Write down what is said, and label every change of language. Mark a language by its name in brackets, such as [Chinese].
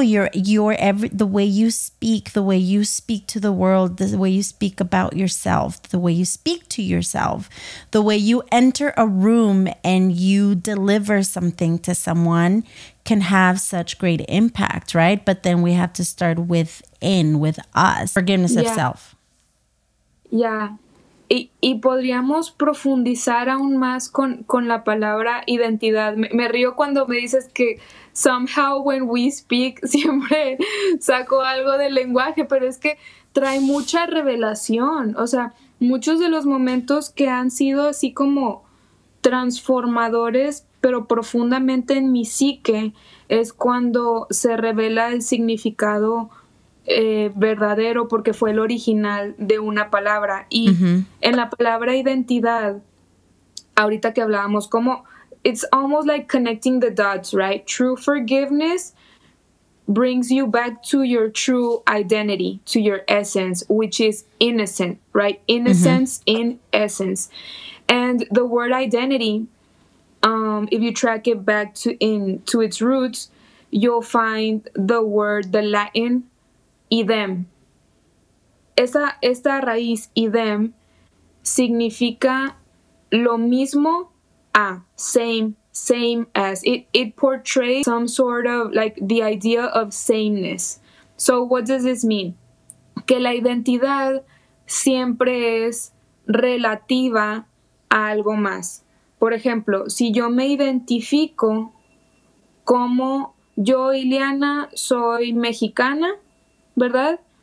[English] The way you speak, the way you speak to the world, the way you speak about yourself, the way you speak to yourself, the way you enter a room and you deliver something to someone can have such great impact, right? But then we have to start within, with us. Forgiveness of self. Yeah. [Spanish] Y podríamos profundizar aún más con la palabra identidad. Me río cuando me dices que [English] somehow when we speak [Spanish] siempre saco algo del lenguaje, pero es que trae mucha revelación. O sea, muchos de los momentos que han sido así como transformadores, pero profundamente en mi psique, es cuando se revela el significado verdadero, porque fue el original de una palabra. Y uh-huh. en la palabra identidad, ahorita que hablábamos, como [English] it's almost like connecting the dots, right? True forgiveness brings you back to your true identity, to your essence, which is innocent, right? Innocence uh-huh. in essence. And the word identity, if you track it back to its roots, you'll find the word, the Latin, idem. [Spanish] Esta raíz, idem, significa lo mismo a, [English] same as. It portrays some sort of, like, the idea of sameness. So what does this mean? [Spanish] Que la identidad siempre es relativa a algo más. Por ejemplo, si yo me identifico como yo, Iliana, soy mexicana, ¿verdad?